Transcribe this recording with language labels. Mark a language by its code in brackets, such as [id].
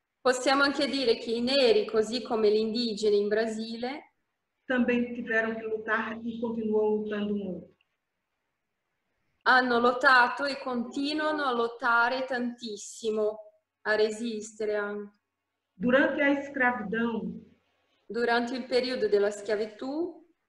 [it] possiamo anche dire che i neri, così come gli indigeni in Brasile, [pt] também tiveram que lutar e continuam lutando muito. [it] Hanno lottato e continuano a lottare tantissimo, a resistere anche. [pt] Durante a escravidão, [it] durante il periodo della schiavitù,